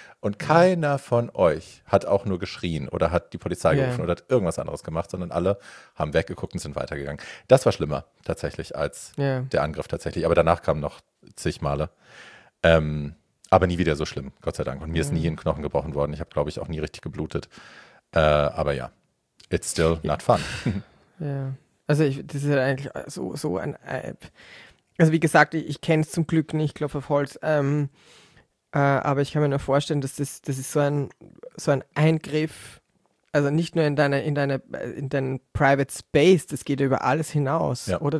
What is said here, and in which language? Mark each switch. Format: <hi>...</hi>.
<de>Und keiner von euch hat auch nur geschrien oder hat die Polizei gerufen oder hat irgendwas anderes gemacht, sondern alle haben weggeguckt und sind weitergegangen. Das war schlimmer tatsächlich als der Angriff tatsächlich. Aber danach kamen noch zig Male. Aber nie wieder so schlimm, Gott sei Dank. Und mir ist nie ein Knochen gebrochen worden. Ich habe, glaube ich, auch nie richtig geblutet. Aber ja,</de> <en>it's still not fun.</en> <de>Ja, also das ist eigentlich so ein App. Also wie gesagt, ich kenne es zum Glück nicht, klopf auf Holz. Aber ich kann mir nur vorstellen, dass das ist so ein Eingriff, also nicht nur in deinen Private Space, das geht ja über alles hinaus, oder?</de>